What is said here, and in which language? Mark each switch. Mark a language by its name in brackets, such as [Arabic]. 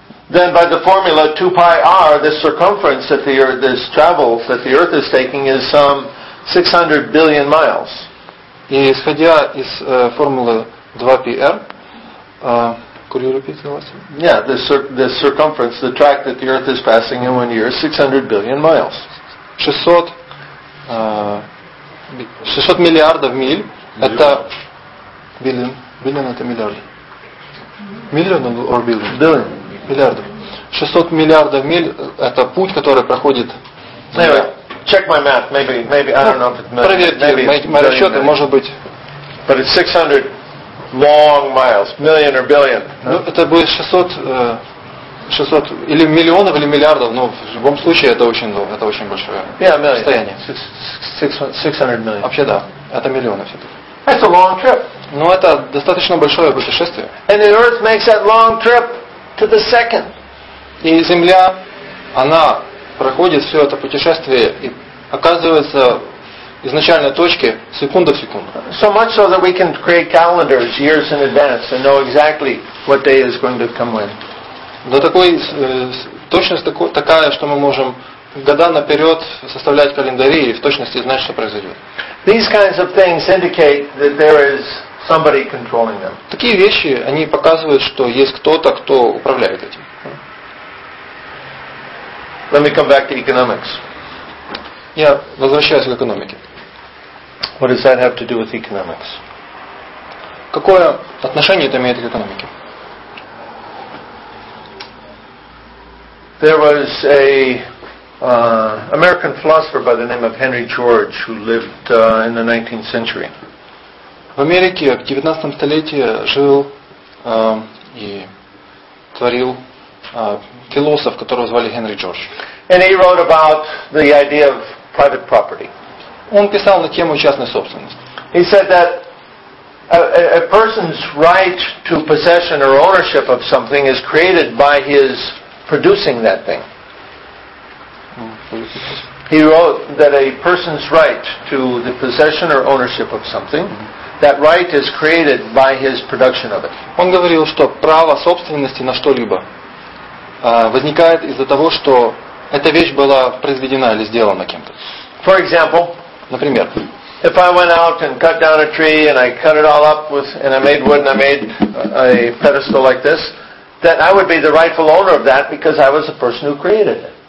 [English] Then by the formula 2 pi r, the circumference that the earth is travels that the earth is taking is some 600 billion miles. [Russian] И исходя из формулы 2 pi r, [English] the circumference, the track that the earth is passing in 1 year is 600 billion miles. [Russian] 600 миллиардов миль это миллион. Миллиардов. 600 миллиардов миль – это путь, который проходит. [English] Anyway, check my math. Maybe I don't know if it's. [Russian] Проверьте мои расчеты, может быть. [English] But it's 600 long miles, million or billion. [Russian] Ну, это будет 600 или миллионов или миллиардов. Но в любом случае это очень долго, это очень большое расстояние. [English] Yeah, million. 600 million. [Russian] Вообще да, это миллионы все-таки. [English] That's a long trip. [Russian] Ну, это достаточно большое путешествие. [English] And the Earth makes that long trip. To the second. [Russian] И Земля, она проходит все это путешествие и оказывается в изначальной точке секунда в секунду. [English] So much so that we can create calendars years in advance and know exactly what day is going to come when. [Russian] До такой точность такая, что мы можем года наперед составлять календари и в точности знать, что произойдет. [English] These kinds of things indicate that there is somebody controlling them. [Russian] Такие вещи, они показывают, что есть кто-то, кто управляет этим. [English] Let me come back to economics. [Russian] Я возвращаюсь к экономике. [English] What does that have to do with economics? [Russian] Какое отношение это имеет к экономике? [English] There was a American philosopher by the name of Henry George who lived in the 19th century. [Russian] В Америке в 19 столетии жил и творил философ, которого звали Генри Джордж. [English] And he wrote about the idea of private property. [Russian] Он писал на тему частной собственности. [English] He said that a person's right to possession or ownership of something is created by his producing that thing. He wrote that a person's right to the possession or ownership of something. That right is created by his production of it. [Russian] Он говорил, что право собственности на что-либо возникает из-за того, что эта вещь была произведена или сделана кем-то. [English] For example, [Russian] например, [English] if I went out and cut down a tree and I cut it all up with and I made wood and I made a pedestal like this, then I would be the rightful owner of that because I was the person who created it.